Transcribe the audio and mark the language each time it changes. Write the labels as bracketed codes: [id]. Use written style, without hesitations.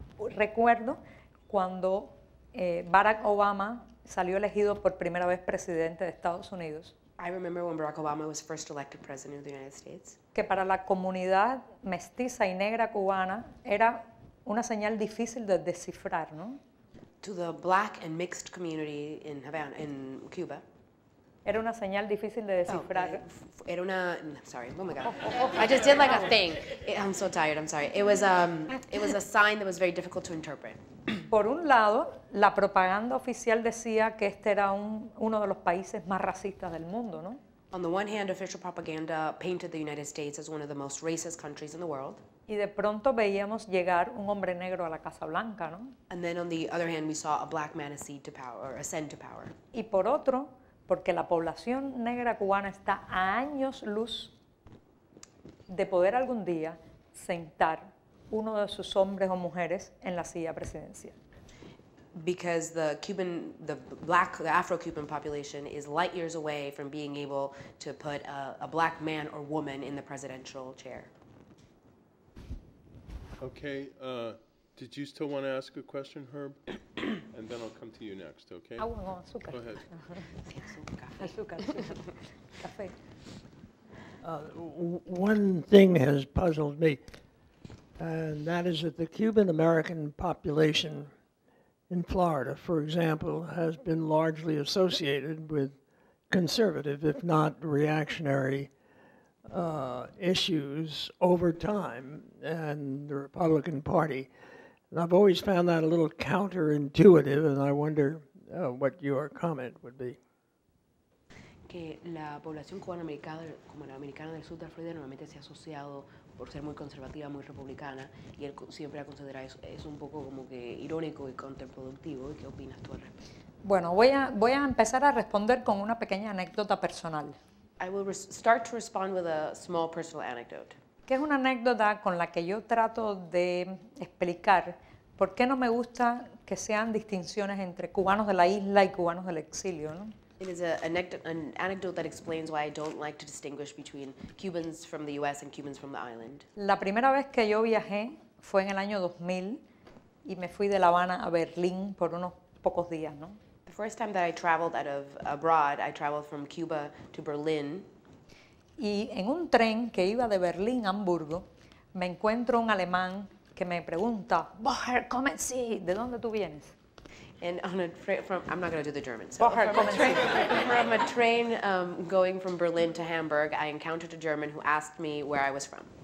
[es] Recuerdo cuando Barack Obama salió elegido por primera vez presidente de Estados Unidos. [en] I remember when Barack Obama was first elected president of the United States. [es] Que para la comunidad mestiza y negra cubana era una señal difícil de descifrar, ¿no? [en] To the black and mixed community in Havana, in Cuba. [es] Era una señal difícil de descifrar. [en] It was a sign that was very difficult to interpret. [es] Por un lado, la propaganda oficial decía que este era uno de los países más racistas del mundo, ¿no? [en] On the one hand, official propaganda painted the United States as one of the most racist countries in the world. [es] Y de pronto veíamos llegar un hombre negro a la Casa Blanca, ¿no? [en] And then on the other hand, we saw a black man ascend to power. [es] Y por otro, porque la población negra cubana está a años luz de poder algún día sentar uno de sus hombres o mujeres en la silla presidencial. [en] Because the Afro-Cuban population is light years away from being able to put a black man or woman in the presidential chair. Okay, did you still want to ask a question, Herb? And then I'll come to you next, okay? [es] Agua, no, azúcar. [en] Go ahead. [es] Azúcar, café. [en] One thing has puzzled me, and that is that the Cuban-American population in Florida, for example, has been largely associated with conservative, if not reactionary, issues over time and the Republican Party. And I've always found that a little counterintuitive, and I wonder what your comment would be. [es] Que la población cubanoamericana, como la americana del sur de Florida, normalmente se ha asociado por ser muy conservativa, muy republicana, y él siempre ha considerado eso. Es un poco como que irónico y contraproductivo. ¿Y qué opinas tú al respecto? Bueno, voy a empezar a responder con una pequeña anécdota personal. [en] I will start to respond with a small personal anecdote. [es] Que es una anécdota con la que yo trato de explicar por qué no me gusta que sean distinciones entre cubanos de la isla y cubanos del exilio, ¿no? [en] It is an anecdote that explains why I don't like to distinguish between Cubans from the U.S. and Cubans from the island. [es] La primera vez que yo viajé fue en el año 2000 y me fui de La Habana a Berlín por unos pocos días, ¿no? [en] The first time that I traveled out of abroad, I traveled from Cuba to Berlin. [es] Y en un tren que iba de Berlín a Hamburgo, me encuentro un alemán que me pregunta, [de] Woher kommen Sie? [es] ¿De dónde tú vienes? [en] And on a I'm not going to do the German. So. Boher, from a train, going from Berlin to Hamburg, I encountered a German who asked me where I was from.